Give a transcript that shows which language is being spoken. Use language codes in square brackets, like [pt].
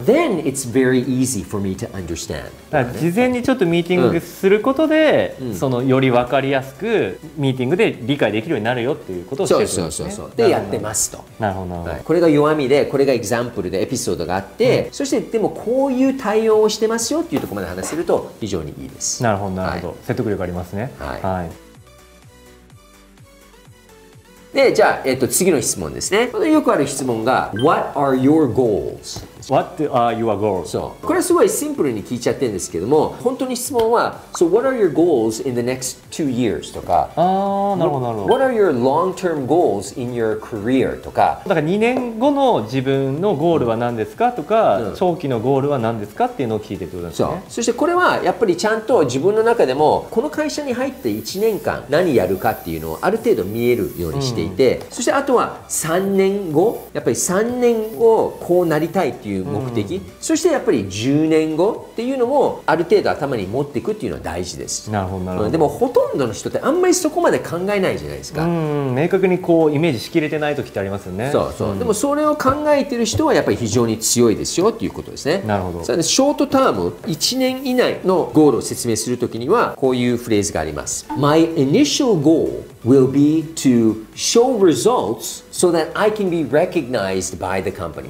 [en] Then it's very easy for me to understand。 [ja] だから事前にちょっとミーティングすることで、そのより分かりやすくミーティングで理解できるようになるよっていうことをしてるんですね。そうそうそうそう。でやってますと。なるほどなるほど、はい、これが弱みで、これがエグザンプルでエピソードがあって、そしてでもこういう対応をしてますよっていうところまで話せると非常にいいです。なるほどなるほど、はい、説得力ありますね。はい、はい、でじゃあ、次の質問ですね。これよくある質問が [en] What are your goals? What are your goals? [ja] そう、これはすごいシンプルに聞いちゃってるんですけども、本当に質問は [en] So what are your goals in the next 2 years? [ja] とか、あーなるほどなるほど。 [en] What are your long-term goals in your career? [ja] とか、だから2年後の自分のゴールは何ですかとか、長期のゴールは何ですかっていうのを聞いてるんですね。そう、そしてこれはやっぱりちゃんと自分の中でもこの会社に入って1年間何やるかっていうのをある程度見えるようにしていて、そしてあとは3年後、やっぱり3年後こうなりたいっていう目的、そしてやっぱり10年後っていうのもある程度頭に持っていくっていうのは大事です。なるほどなるほど。でもほとんどの人ってあんまりそこまで考えないじゃないですか。明確にこうイメージしきれてない時ってありますよね。そうそう、でもそれを考えてる人はやっぱり非常に強いですよっていうことですね。なるほど。それでショートターム、1年以内のゴールを説明するときにはこういうフレーズがあります。 [en] My initial goal will be to show results so that I can be recognized by the company。